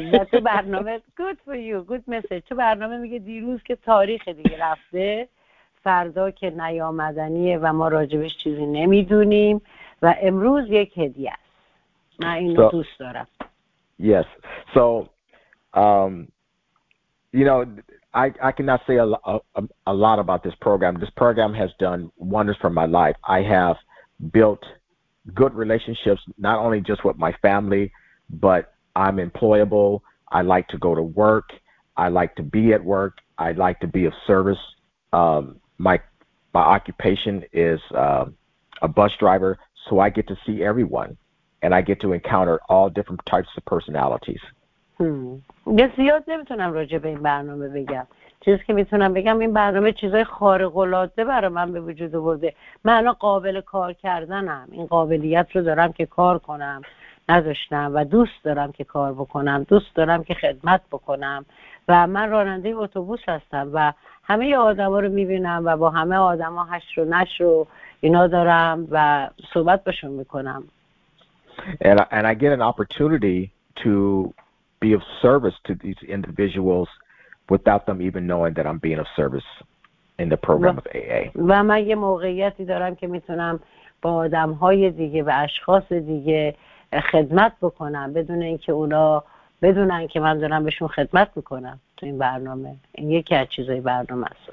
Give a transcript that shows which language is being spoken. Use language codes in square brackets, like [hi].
[fa] تو برنامه [en] good for you, good message. [fa] تو برنامه میگه دیروز که تاریخ دیگه رفته، فردا که نیامدنیه و ما راجبش چیزی نمیدونیم و امروز یک هدیه است. من اینو دوست دارم. [en] Yes. So you know, I cannot say a lot about this program. This program has done wonders for my life. I have built good relationships, not only just with my family, but I'm employable. I like to go to work. I like to be at work. I like to be of service. My occupation is a bus driver, so I get to see everyone, and I get to encounter all different types of personalities. [fa] زیاد نمیتونم راجع به این برنامه بگم. چیزی که میتونم بگم این برنامه چیزای خارق‌العاده برای من به وجود آورده. من قابل کار کردنم. این قابلیت رو دارم که کار کنم. نذاشتم و دوست دارم که کار بکنم. دوست دارم که خدمت بکنم. و من راننده اتوبوس هستم و همه آدما رو میبینم و با همه آدما حشر و نشر و اینا دارم و صحبت باشون میکنم. [en] And I get an opportunity to be of service to these individuals without them even knowing that I'm being of service in the program of AA. [fa] و من یه موقعیتی دارم که میتونم با آدم‌های دیگه و اشخاص دیگه خدمت بکنم بدون اینکه اونا بدونن که من دارم بهشون خدمت میکنم تو این برنامه. این یکی از چیزای برنامه است.